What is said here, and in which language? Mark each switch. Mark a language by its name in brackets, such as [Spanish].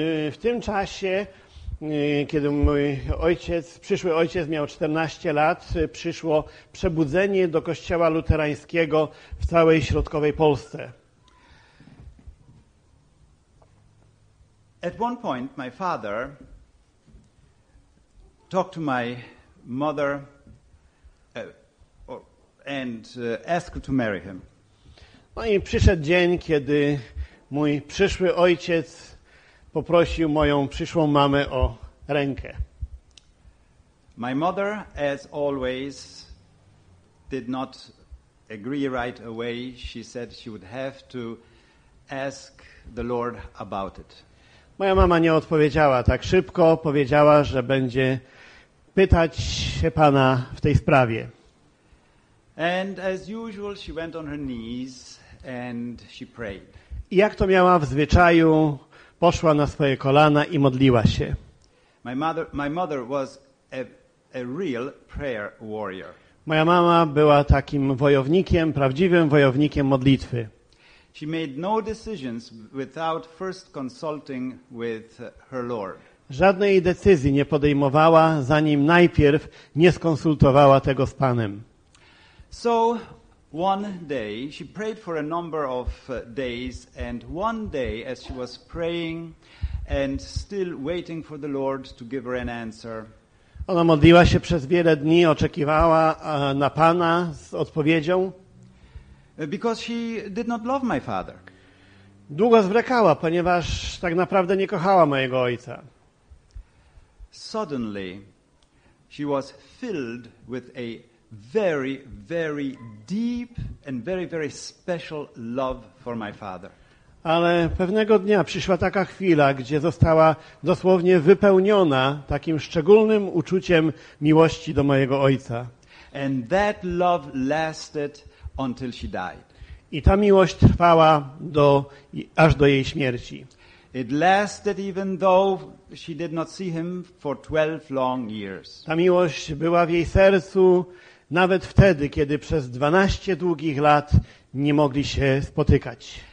[Polish] W tym czasie, kiedy mój ojciec, przyszły ojciec miał 14 lat, przyszło przebudzenie do kościoła luterańskiego w całej środkowej Polsce. [English] At one point my father talked to my mother and asked to marry him. [Polish] No i przyszedł dzień, kiedy mój przyszły ojciec poprosił moją przyszłą mamę o rękę. [English] My mother, as always, did not agree right away. She said she would have to ask the Lord about it. [Polish] Moja mama nie odpowiedziała tak szybko. Powiedziała, że będzie pytać się Pana w tej sprawie. [English] And as usual, she went on her knees and she prayed. [Polish] I jak to miała w zwyczaju, poszła na swoje kolana i modliła się. [English] My mother was a real prayer warrior. [Polish] Moja mama była takim wojownikiem, prawdziwym wojownikiem modlitwy. [English] She made no decisions without first consulting with her Lord. [Polish] Żadnej decyzji nie podejmowała, zanim najpierw nie skonsultowała tego z Panem. [English] So One day she prayed for a number of days, and one day as she was praying and still waiting for the Lord to give her an answer. [Polish] Ona modliła się przez wiele dni, oczekiwała na Pana z odpowiedzią. [English] Because she did not love my father. [Polish] Długo zwlekała, ponieważ tak naprawdę nie kochała mojego ojca. [English] Suddenly she was filled with a very, very deep and very, very special love for my father. [Polish] Ale pewnego dnia przyszła taka chwila, gdzie została dosłownie wypełniona takim szczególnym uczuciem miłości do mojego ojca. [English] And that love lasted until she died. [Polish] I ta miłość trwała aż do jej śmierci. [English] It lasted even though she did not see him for 12 long years. [Polish] Ta miłość była w jej sercu nawet wtedy, kiedy przez 12 długich lat nie mogli się spotykać.